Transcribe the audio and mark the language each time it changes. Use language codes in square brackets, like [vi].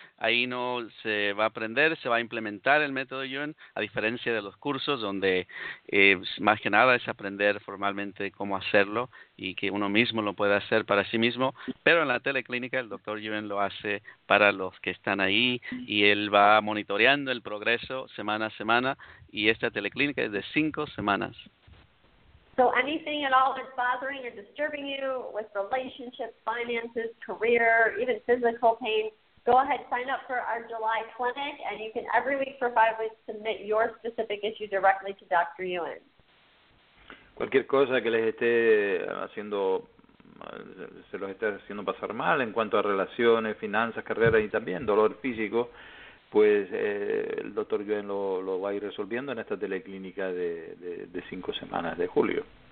[es] Ahí no se va a aprender, se va a implementar el método Yuen, a diferencia de los cursos donde más que nada es aprender formalmente cómo hacerlo y que uno mismo lo pueda hacer para sí mismo. Pero en la teleclínica el doctor Yuen lo hace para los que están ahí y él va monitoreando el progreso semana a semana, y esta teleclínica es de 5 semanas. [en] So anything at all that's bothering or disturbing you with relationships, finances, career, even physical pain, go ahead, sign up for our July clinic, and you can every week for 5 weeks submit your specific issue directly to Dr. Ewan. [es] Cualquier cosa que les esté haciendo, se los esté haciendo pasar mal en cuanto a relaciones, finanzas, carrera y también dolor físico, pues el doctor Yuen lo va a ir resolviendo en esta teleclínica de 5 semanas de julio.